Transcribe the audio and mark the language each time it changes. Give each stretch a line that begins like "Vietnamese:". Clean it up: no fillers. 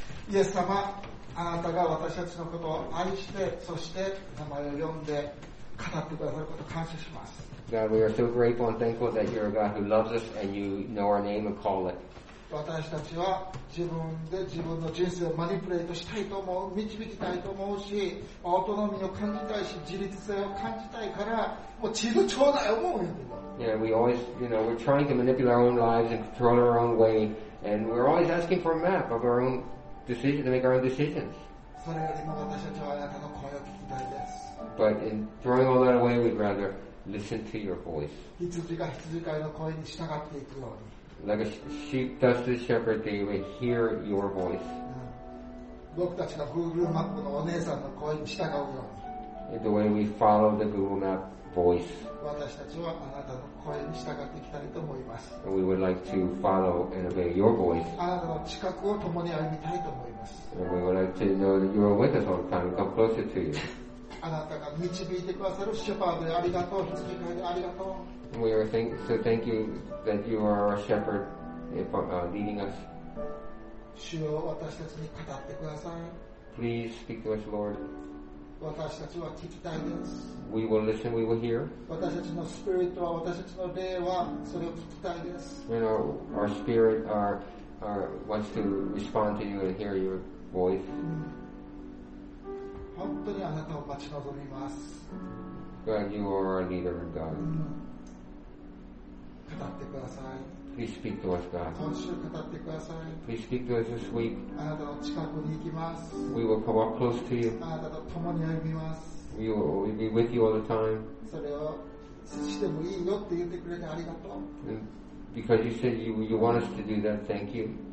Japanese: イエス様、あなたが私たちのことを愛して、そして名前を呼んで、語ってくださること感謝します。
English: God, we are so grateful and thankful that you're a God who loves us and you know our name and call it.
Japanese: 私たちは自分で自分の人生をマニプレートしたいと思う、導きたいと思うし、オートノミーを感じたいし、自立性を感じたいから、もう地図ちょうだい思うよ。
English: Yeah, we always, you know, we're trying to manipulate our own lives and control our own way, and we're always asking for a map of our own decision to make our own decisions.
Japanese: それよりも私たちはあなたの声を聞きたいです。
English: But in throwing all that away, we'd rather listen to your voice.
Japanese: 羊が羊飼いの声に従っていくように。
English: Like a sheep does the shepherd, they will hear your voice.
Japanese: 僕たちの Google マップのお姉さんの声に従うように。
English: In the way we follow the Google map voice.
Japanese: 私たちはあなたの声に従っていきたいと思います。
English: And we would like to follow and obey your voice.
Japanese: あなたの近くを共に歩みたいと思います。
English: And we would like to know that you are with us all the time and come closer to you.
Japanese: あなたが導いてくださるシェパードありがとう、羊飼いでありがとう。
English: We are thank you that you are our shepherd leading us.
Japanese: 主よ私たちに語ってください。
English: Please speak to us, Lord.
Japanese: 私たちは聞きたいです。
English: We will listen, we will hear.
Japanese: 私たちのスピリットは私たちの霊はそれを聞きたいです。
English: You know, our spirit, our wants to respond to you and hear your voice.
Japanese: 本当にあなたを待ち望みます。
English: God, you are our leader and God.
Japanese: 語ってください。
English: Please speak to us, God.
Japanese: 今週語ってください。
English: Please speak to us this week.
Japanese: あなたの近くに行きます。
English: We will come up close to you.
Japanese: あなたと共に歩みます。
English: We'll be with you all the time.
Japanese: それをしてもいいよって言ってくれてありがとう。
English: Because you said you want us to do that, thank you.